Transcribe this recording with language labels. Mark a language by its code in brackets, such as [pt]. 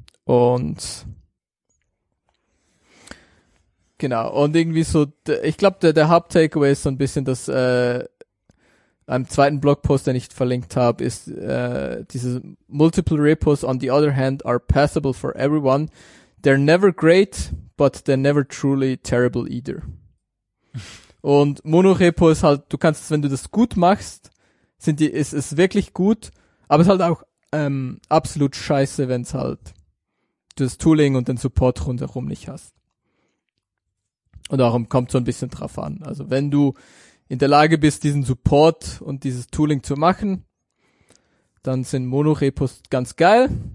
[de] Und genau, und irgendwie so, ich glaube, der Haupt-Takeaway ist so ein bisschen, dass einem zweiten Blogpost, den ich verlinkt habe, ist dieses [en] Multiple Repos on the other hand are passable for everyone. They're never great, but they're never truly terrible either. [de] Und Monorepo ist halt, du kannst es, wenn du das gut machst, ist wirklich gut, aber es ist halt auch absolut scheiße, wenn es halt das Tooling und den Support rundherum nicht hast. Und darum kommt so ein bisschen drauf an. Also wenn du in der Lage bist, diesen Support und dieses Tooling zu machen, dann sind Monorepos ganz geil.